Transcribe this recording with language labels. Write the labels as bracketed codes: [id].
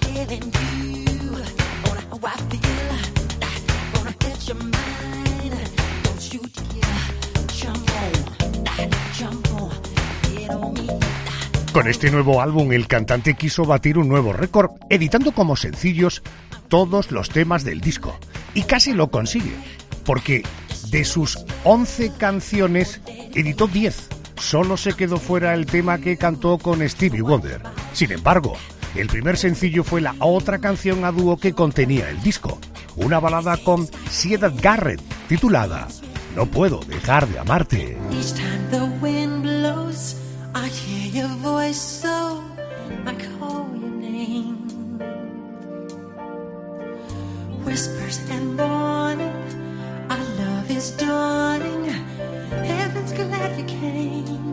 [en] And you on how I feel, gonna get your mind. Don't you dare jump on, jump on, get on me. [es] Con este nuevo álbum, el cantante quiso batir un nuevo récord, editando como sencillos todos los temas del disco. Y casi lo consigue, porque de sus 11 canciones, editó 10. Solo se quedó fuera el tema que cantó con Stevie Wonder. Sin embargo, el primer sencillo fue la otra canción a dúo que contenía el disco, una balada con Syd Garrett, titulada No puedo dejar de amarte. [en] Each time the wind blows, I hear your voice, so I call your name. Whispers and morning, our love is dawning. Heaven's glad you came.